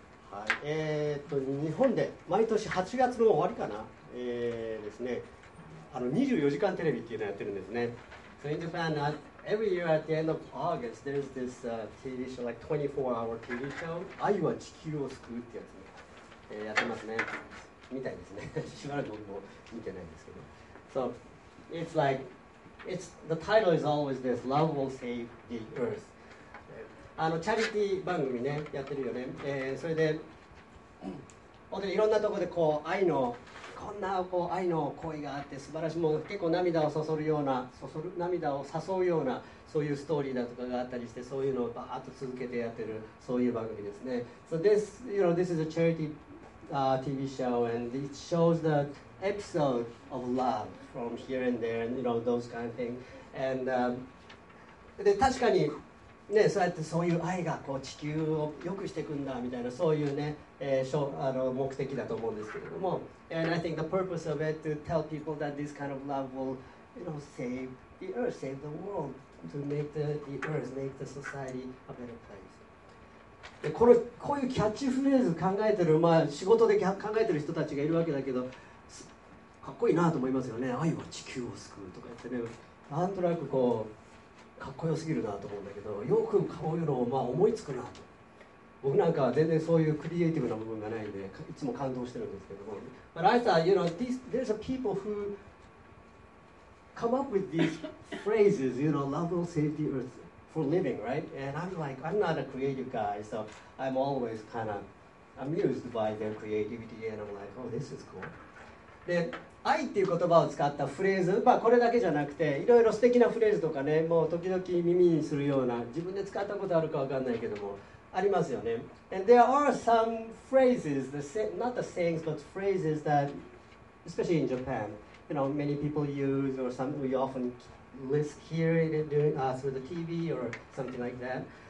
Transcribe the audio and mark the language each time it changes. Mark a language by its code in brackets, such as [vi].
[ja] はい、日本で毎年8月の終わりかな、ですね、あの24時間テレビっていうのをやってるんですね。 [en] So in Japan, every year at the end of August, there's this TV show, like 24-hour TV show. [ja] 愛は地球を救うってやつね、やってますね。みたいですね。しばらく僕も見てないんですけど。 [en] So it's like, it's, the title is always this, Love Will Save the Earth. [ja] あのチャリティー番組ねやってるよね、それで本当にいろんなところでこう愛のこんなこう愛の行為があって素晴らしい、もう結構涙をそそるような涙を誘うようなそういうストーリーだとかがあったりして、そういうのをバーッと続けてやってるそういう番組ですね。 [en] So this, you know, this is a charity、TV show and it shows the episode of love from here and there and you know those kind of thing and、 [ja] で確かにね、そうやってそういう愛がこう地球を良くしていくんだみたいな、そういうね、あの目的だと思うんですけれども、 [en] And I think the purpose of it to tell people that this kind of love will, you know, save the earth, save the world, to make the earth, make the society a better place. [ja] で、これこういうキャッチフレーズ考えてる、まあ仕事で考えてる人たちがいるわけだけど、かっこいいなと思いますよね。愛は地球を救うとか言ってね、なんとなくこうかっこよすぎるなと思うんだけど、よくこういうのをまあ思いつくなと。僕なんかは全然そういうクリエイティブな部分がないんで、いつも感動してるんですけども。 [en] But I thought, you know, there's a people who come up with these phrases, you know, love will save the earth for living, right? And I'm like, I'm not a creative guy, so I'm always kind of amused by their creativity, and I'm like, oh, this is cool. [ja] で愛っていう言葉を使ったフレーズ、まあ、これだけじゃなくていろいろ素敵なフレーズとかね、もう時々耳にするような自分で使ったことあるかわかんないけどもありますよね。 [en] And there are some phrases, the not the sayings, but phrases that, especially in Japan, you know, many people use or some we often list here in it during, through the TV or something like that.